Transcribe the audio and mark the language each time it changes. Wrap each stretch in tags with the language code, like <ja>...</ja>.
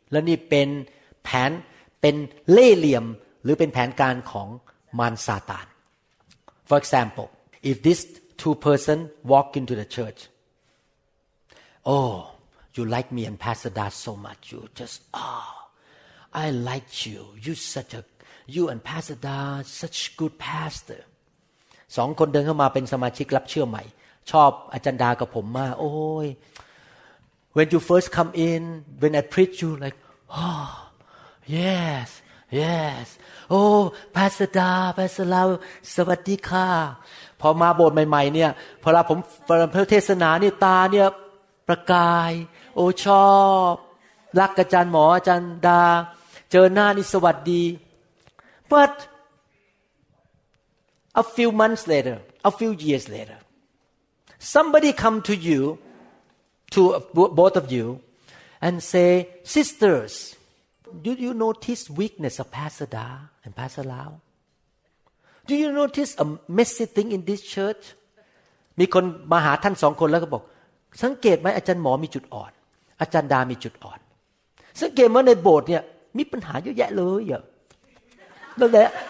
<th>และนี่เป็นแผนเป็นเล่ห์เหลี่ยมหรือเป็นแผนการของมารซาตาน</th> <en>For example, if this two person walk into the church, oh, you like me and Pastor Da so much, you just, oh, I like you. You and Pastor Da such good pastor.</en> <th>สองคนเดินเข้ามาเป็นสมาชิกรับเชื่อใหม่ชอบอาจารย์ดากับผมมากโอ้ย</th> <en>When you first come in, when I preach you like, oh,Yes, yes. Oh, Pastor Da, Pastor Lau,</en> <th>สวัสดีค่ะ พอมาโบสถ์ใหม่ๆเนี่ยพอเราผมฟังเทศนาเนี่ยตาเนี่ยประกายโอ้ชอบรักอาจารย์หมออาจารย์ดาเจอหน้านี่สวัสดี</th> <en>But a few months later, a few years later, somebody come to you, to both of you, and say, sistersDo you notice weakness of Pastor Da and Pastor Lau? Do you notice a messy thing in this church?</en> <th>มีคนมาหาท่านสองคนแล้วก็บอกสังเกตไหมอาจารย์หมอมีจุดอ่อนอาจารย์ดามีจุดอ่อนสังเกตว่าในโบสถ์เนี่ยมีปัญหาเยอะแยะเลยอะนั่นแหละ</th>